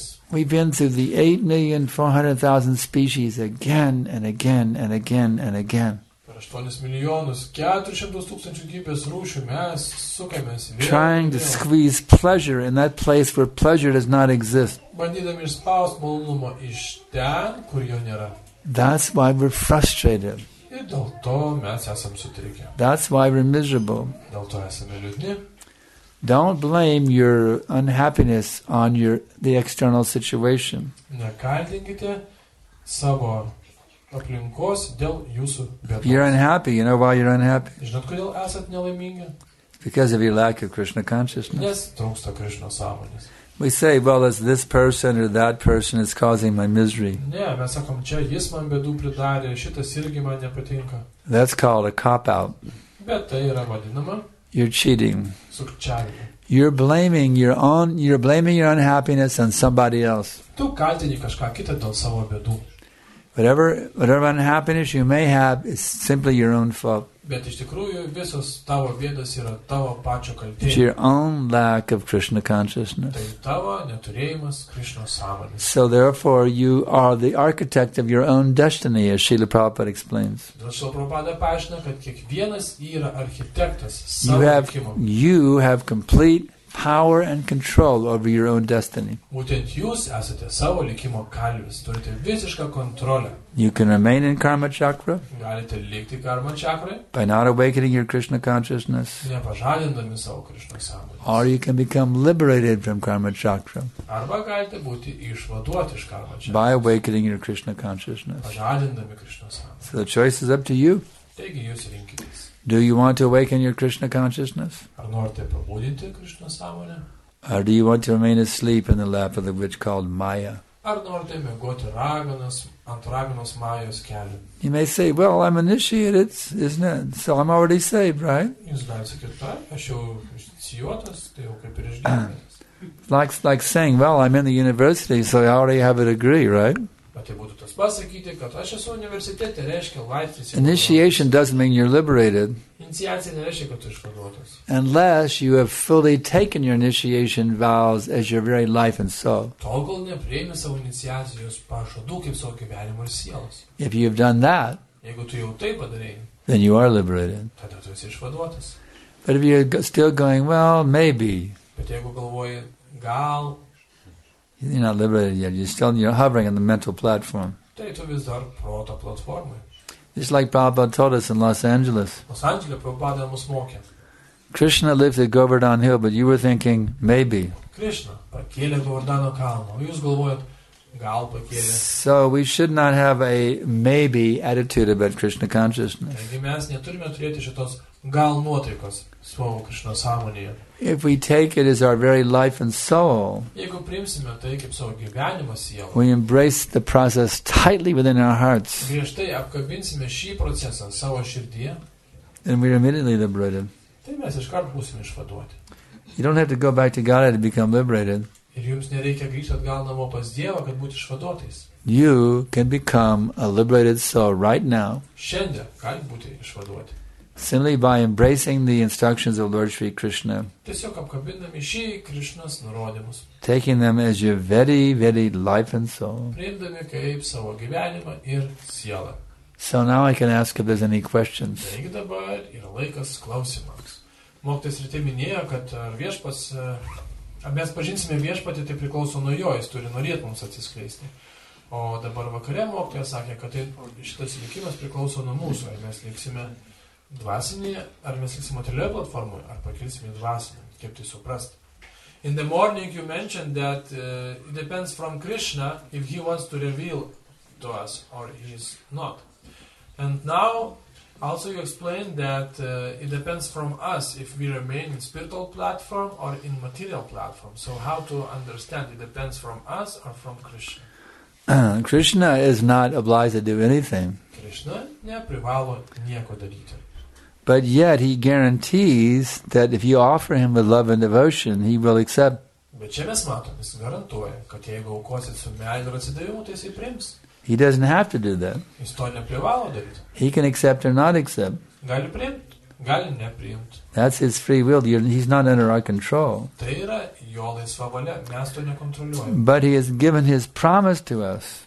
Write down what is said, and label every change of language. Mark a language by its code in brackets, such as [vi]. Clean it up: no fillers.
[en] We've been through the 8,400,000 species again and again and again and again. [lt] 8,400,000 gyvybės rūšių mes sukamės vėl. [en] Trying to squeeze pleasure in that place where pleasure does not exist. [lt] Bandydami išspausti malonumą iš ten, kur jo nėra. [en] That's why we're frustrated. [lt] Ir dėl to mes esam sutrikę. [en] That's why we're miserable. [lt] Dėl to esame liūdni. [en] Don't blame your unhappiness on the external situation. [lt] Nekaltinkite savo aplinkos dėl jūsų bėdos. [en] You're unhappy. You know why you're unhappy? [lt] Žinot, kodėl esat nelaimingi? [en] Because of your lack of Krishna consciousness. [lt] Nes trūksta Krishna sąmonės. [en] We say, well, it's this person or that person is causing my misery. [lt] Ne, mes sakom, čia jis man bėdų pridarė, šitas irgi man nepatinka. [en] That's called a cop-out. [lt] Bet tai yra vadinama. [en] You're cheating. [lt] Sukčiavimu. [en] You're blaming your unhappiness on somebody else. [lt] Tu kaltini kažką kitą dėl savo bėdų. [en] Whatever unhappiness you may have is simply your own fault. [lt] Bet iš tikrųjų visos tavo bėdos yra tavo pačio kaltė. [en] It's your own lack of Krishna consciousness. [lt] Tai tavo neturėjimas Krishnos sąmonės. [en] So therefore you are the architect of your own destiny, as Srila Prabhupada explains. [lt] Srila Prabhupada paaiškina, kad kiekvienas yra architektas savo likimo. [en] You have complete power and control over your own destiny. [lt] Būtent jūs esate savo likimo kalvis, turite visišką kontrolę. [en] You can remain in karma chakra. [lt] Galite likti karma chakra. [en] By not awakening your Krishna consciousness. [lt] Nepažadindami savo Krishna sąmonės. [en] Or you can become liberated from karma chakra. [lt] Arba galite būti išvaduoti iš karma chakra. [en] By awakening your Krishna consciousness. [lt] Pažadindami Krishna sąmonės. [en] So the choice is up to you. [lt] Taigi jūs rinkitės. [en] Do you want to awaken your Krishna consciousness? [lt] Ar norite pabudinti Krishna sąmonę? [en] Or do you want to remain asleep in the lap of the witch called Maya? [lt] Ar norite mėgoti raganas ant raganos Majos kelių? [en] You may say, well, I'm initiated, isn't it? So I'm already saved, right? [lt] Jūs galite sakyti, taip, aš jau inicijuotas, tai jau kaip ir išgyvenęs. [en] Like saying, well, I'm in the university, so I already have a degree, right? [lt] Bet tai būtų tas pasakyti, kad aš esu universitete, reiškia laisvės. [en] Initiation doesn't mean you're liberated. [lt] Iniciacija nereiškia, kad tu išvaduotas. [en] Unless you have fully taken your initiation vows as your very life and soul. [lt] Tol, kol nepriėmė savo iniciacijos pažadų kaip savo gyvenimo ir sielos. [en] If you've done that, [lt] jeigu tu jau tai padarei, [en] then you are liberated. [lt] Tada tu esi išvaduotas. [en] But if you're still going, well, maybe. [lt] Bet jeigu galvoji, gal... [en] You're not liberated yet. You're still hovering on the mental platform. [lt] Tai tu vis dar proto platformai. [en] Just like Prabhupada taught us in Los Angeles. [lt] Los Angeles, Prabhupada mus mokė. [en] Krishna lifted Govardhan Hill, but you were thinking, maybe. [lt] Krishna pakėlė Govardhano kalną. Jūs galvojat, gal pakėlė. [en] So we should not have a maybe attitude about Krishna consciousness. [lt] Taigi mes neturime turėti šitos gal nuotaikos savo Krishna sąmonėje. [en] If we take it as our very life and soul, [lt] jeigu priimsime tai kaip savo gyvenimo sielą, [en] we embrace the process tightly within our hearts, [lt] griežtai apkabinsime šį procesą savo širdyje, [en] and we are immediately liberated. [lt] Tai mes iškart būsime išvaduoti. [en] You don't have to go back to God to become liberated. [lt] Ir jums nereikia grįžti atgal namo pas Dievą, kad būti išvaduotais. [en] You can become a liberated soul right now. [lt] Šiandien gali būti išvaduoti. [en] Simply by embracing the instructions of Lord Sri Krishna. [lt] Tiesiog apkabindami šį Krishnas nurodymus. [en] Taking them as your very, very life and soul. [lt] Priimdami kaip savo gyvenimą ir sielą. [en] So now I can ask if there's any questions. [lt] Taigi dabar yra laikas klausimams. Mokytojas rytė minėjo, kad mes pažinsime viešpatį, tai priklauso nuo jo, jis turi norėti mums atsiskleisti. O dabar vakare mokytojas sakė, kad šitas likimas priklauso nuo mūsų, ar mes liksime dvasinėje, ar mes liksime materialioje platformoje, ar pakilsime dvasinėje, kaip tai suprasti. [en] In the morning you mentioned that it depends from Krishna if he wants to reveal to us or he is not. And now also you explained that it depends from us if we remain in spiritual platform or in material platform. So how to understand it depends from us or from Krishna? Krishna is not obliged to do anything. [lt] Krishna neprivalo nieko daryti. [en] But yet he guarantees that if you offer him with love and devotion, he will accept. [lt] Bet čia mes matom, jis garantuoja, kad jeigu aukosit su meilė ir atsidavimu, tai jisai priims. [en] He doesn't have to do that. [lt] Jis to neprivalo daryti. [en] He can accept or not accept. [lt] Gali priimt, gali nepriimt. [en] That's his free will. He's not under our control. [lt] Tai yra jo laisva valia, mes to nekontroliuojam. [en] But he has given his promise to us.